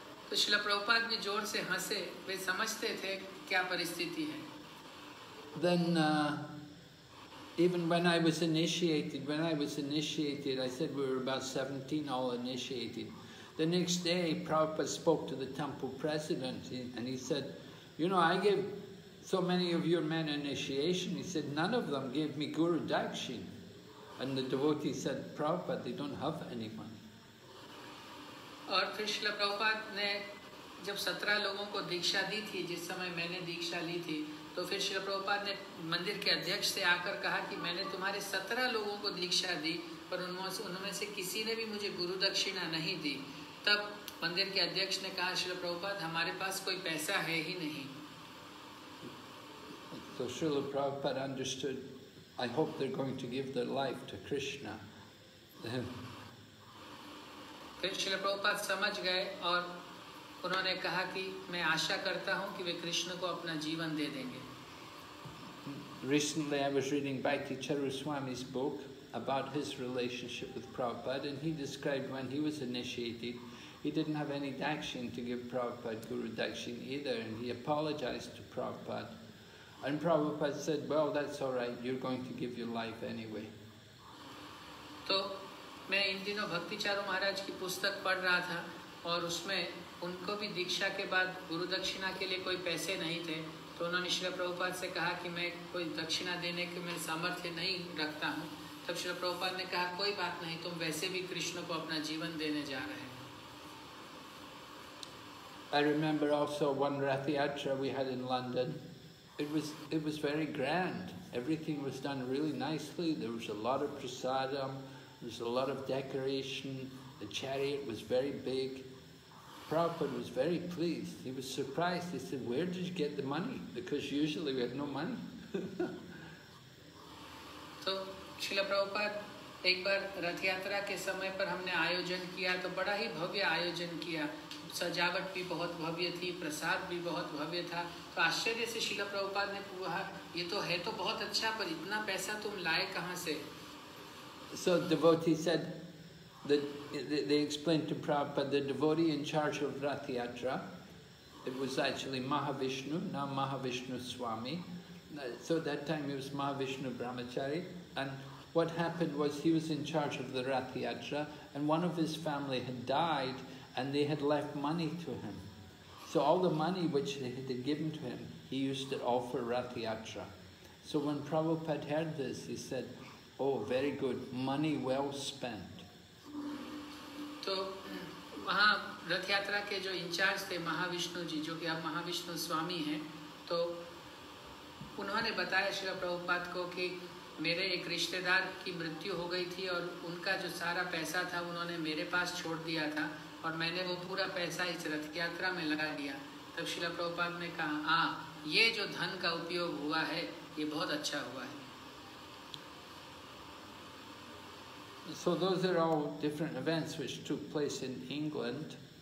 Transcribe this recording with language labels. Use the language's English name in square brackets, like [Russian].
[Hindi] तो श्रीला प्रभुपाद ने जोर से हंसे, वे समझते थे क्या परिस्थिति है. [English] Then even when I was initiated, I said we were about 17 all initiated. The next day Prabhupada spoke to the temple president and he said, you know, I gave so many of your men initiation, he said, none of them gave me Guru Dakshin. And the devotee said, Prabhupada, they don't have anyone. [Hindi] और फिर श्रीला प्रभुपाद ने जब 17 लोगों को दीक्षा दी थी, जिस समय मैंने दीक्षा ली थी, तो फिर श्रीला प्रभुपाद ने मंदिर के अध्यक्ष से आकर कहा कि मैंने तुम्हारे 17 लोगों को दीक्षा दी पर उनमें से किसी ने भी मुझे गुरु दक्षिणा नहीं दी. तब मंदिर के अध्यक्ष ने कहा, श्रीला प्रभुपाद, हमारे पास कोई पैसा है ही नहीं. [English] तो Shrila Prabhupada understood, I hope they are going to give their life to Krishna. [Hindi] फिर श्रील प्रभुपाद समझ गए और उन्होंने कहा कि मैं आशा करता हूँ कि वे कृष्ण को अपना जीवन दे देंगे. [English] Recently I was reading Bhakti Charuswami's book about his relationship with Prabhupada, and he described when he was initiated, he didn't have any dakshin to give Prabhupada Guru dakshin either, and he apologized to Prabhupada. And Prabhupada said, well, that's all right, you're going to give your life anyway. [Hindi] So, मैं इन दिनों भक्ति चारू महाराज की पुस्तक पढ़ रहा था और उसमें उनको भी दीक्षा के बाद गुरु दक्षिणा के लिए कोई पैसे नहीं थे तो उन्होंने श्री प्रभुपाद से कहा कि मैं कोई दक्षिणा देने के मैं सामर्थ्य नहीं रखता हूँ तब श्री प्रभुपाद ने कहा कोई बात नहीं तुम वैसे भी कृष्ण को अपना जीवन देने जा रहे हैं [English] I remember also one Rath Yatra we had in London. It was very grand. Everything was done really nicely. There was a lot of prasadam. There's a lot of decoration. The chariot was very big. Prabhupada was very pleased. He was surprised. He said, where did you get the money? Because usually we had no money. [Hindi] So, Srila Prabhupada, एक बार रथयात्रा के समय पर हमने आयोजन किया तो बड़ा ही भव्य आयोजन किया सजावट भी बहुत भव्य थी प्रसाद भी बहुत भव्य था तो आश्चर्य से श्रील प्रभुपाद ने कहा ये तो है तो बहुत अच्छा पर इतना पैसा तुम लाए कहाँ से [English] So devotee said that they explained to Prabhupada the devotee in charge of Rath Yatra it was actually Mahavishnu now Mahavishnu Swami so at that time he was Mahavishnu Brahmachari and what happened was he was in charge of the Rath Yatra and one of his family had died and they had left money to him so all the money which they had given to him he used it all for Rath Yatra so when Prabhupada heard this he said Oh, very good. Money well spent. [Hindi] तो वहाँ रथ यात्रा के जो in charge थे महाविष्णु जी जो कि अब महाविष्णु स्वामी हैं तो उन्होंने बताया श्री प्रभुपाद को कि मेरे एक रिश्तेदार की मृत्यु हो गई थी और उनका जो सारा पैसा था उन्होंने मेरे पास छोड़ दिया था और मैंने वो पूरा पैसा इस रथ यात्रा में लगा दिया तब श्री प्रभुपाद ने कहा हाँ ये जो धन का उपयोग हुआ है ये बहुत अच्छा हुआ है [English] So those are all different events which took place in England.